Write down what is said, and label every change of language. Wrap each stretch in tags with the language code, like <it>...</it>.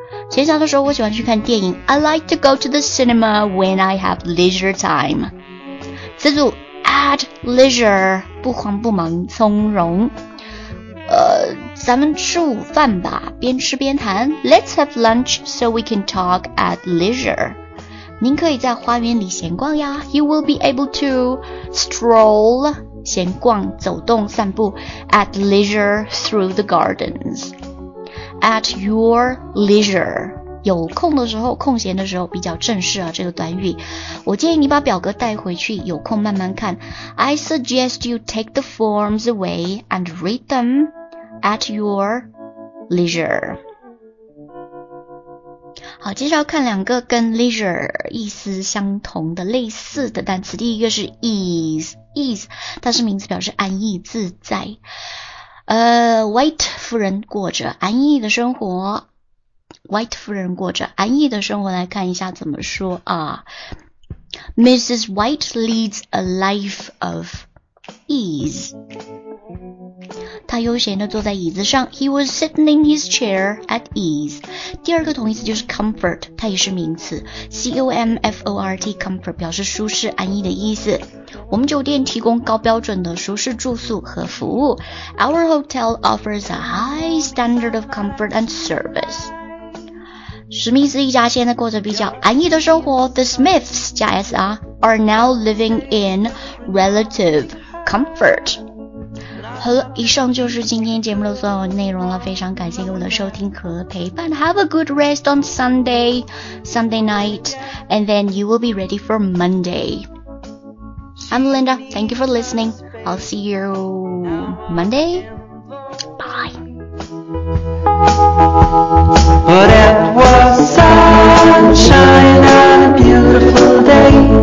<zh>闲暇的时候我喜欢去看电影，</zh> <en>I like to go to the cinema when I have leisure time.</en> <zh>词组</zh> <en>at leisure,</en> <zh>不慌不忙，从容。咱们吃午饭吧，边吃边谈。</zh> <en>Let's have lunch so we can talk at leisure.</en> <zh>您可以在花园里闲逛呀。</zh> <en>You will be able to stroll,</en> <zh>闲逛，走动，散步</zh> <en>at leisure through the gardens. At your leisure.</en> <zh>有空的时候，空闲的时候比较正式啊，这个短语。我建议你把表格带回去，有空慢慢看。 I suggest you take the forms away and read them at your leisure. 好，接下来看两个跟 leisure 意思相同的类似的单词。第一个是 ease, 它是名词，表示安逸自在。 White 夫人过着安逸的生活。 White 夫人过着安逸的生活，来看一下怎么说啊。Mrs.</zh> <en>White leads a life of ease.</en> <zh>他悠闲地坐在椅子上。</zh> <en>He was sitting in his chair at ease.</en> <zh>第二个同义词就是 comfort, 它也是名词。C-O-M-F-O-R-T, comfort, 表示舒适安逸的意思。我们酒店提供高标准的舒适住宿和服务。</zh> <en>Our hotel offers a high standard of comfort and service.</en> <zh>史密斯一家现在过着比较安逸的生活。</zh> <en>The Smiths</en> <zh>加 S 啊</zh> <en>are now living in relative comfort.</en> <zh>好了，以上就是今天节目的所有内容了。非常感谢各位的收听和陪伴。</zh> <en>Have a good rest on Sunday night, and then you will be ready for Monday. I'm Linda. Thank you for listening. I'll see you Monday. Bye. But it was sunshine and a beautiful day.</en>